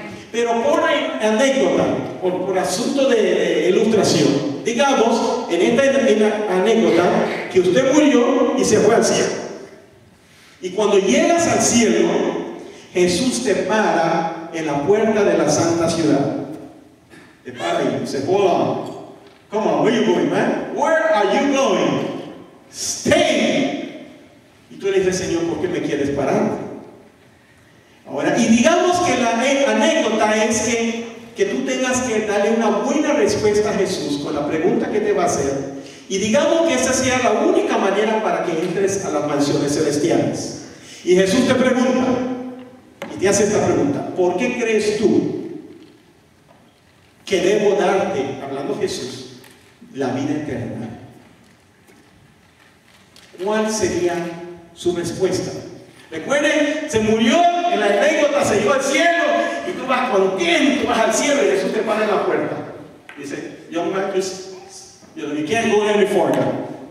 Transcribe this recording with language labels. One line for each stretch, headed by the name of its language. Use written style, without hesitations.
Spanish: Pero por anécdota, por asunto de ilustración, digamos, en esta anécdota, que usted murió y se fue al cielo. Y cuando llegas al cielo, Jesús te para en la puerta de la santa ciudad. Te para y dice, hola,
English: come on, where are you going, man? Where are you going? Stay.
Spanish: Y tú le dices, Señor, ¿por qué me quieres parar? Ahora, y digamos que la anécdota es que tú tengas que darle una buena respuesta a Jesús con la pregunta que te va a hacer. Y digamos que esa sea la única manera para que entres a las mansiones celestiales. Y Jesús te pregunta, y te hace esta pregunta, ¿por qué crees tú que debo darte, hablando Jesús, la vida eterna? ¿Cuál sería su respuesta? Recuerden, se murió, en la anécdota se llevó al cielo, y tú vas contento, vas al cielo, y Jesús te para en la puerta.
English: Dice, young man, you can't go any further.